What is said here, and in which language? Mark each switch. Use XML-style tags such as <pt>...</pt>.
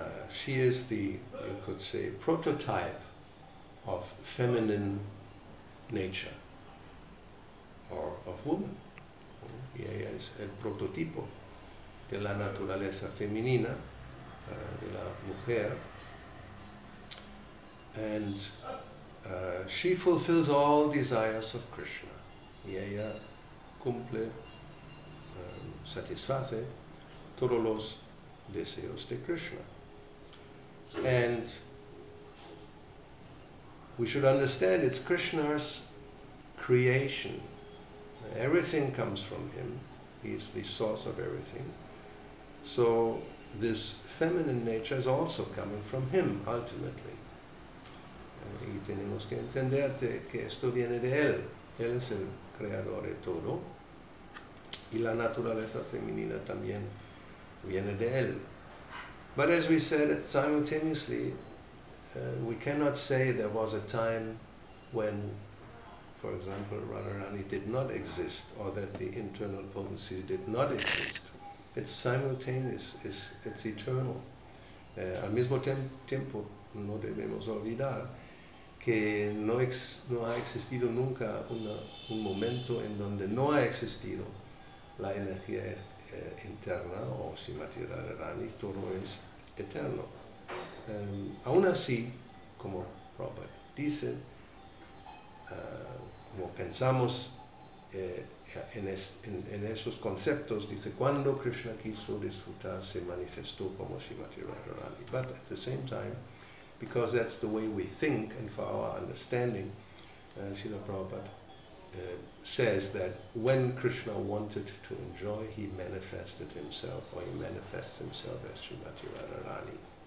<en>She is the, you could say, prototype of feminine nature, or of woman.</en> <es>Y ella es el prototipo de la naturaleza femenina, de la mujer.</es> <en>And she fulfills all desires of Krishna.</en> <es>Y ella cumple, satisface todos los deseos de Krishna.</es> <en>And we should understand it's Krishna's creation. Everything comes from him. He is the source of everything. So this feminine nature is also coming from him, ultimately.</en> <es>Y tenemos que entender que esto viene de él. Él es el creador de todo. Y la naturaleza femenina también viene de él.</es> <en>But as we said, simultaneously, we cannot say there was a time when, for example, Radharani did not exist, or that the internal potency did not exist. It's simultaneous, it's eternal.</en> <es>Al mismo tiempo, no debemos olvidar que no ha existido nunca un momento en donde no ha existido la energía interna o Srimati Radharani, todo es eterno. Aún así, como Robert dice, como pensamos en esos conceptos, dice, cuando Krishna quiso disfrutar, se manifestó como Srimati Radharani.</es> <en>But at the same time, because that's the way we think and for our understanding, Srila Prabhupada says that when Krishna wanted to enjoy, he manifested himself, or he manifests himself as Srimati Radharani.</en>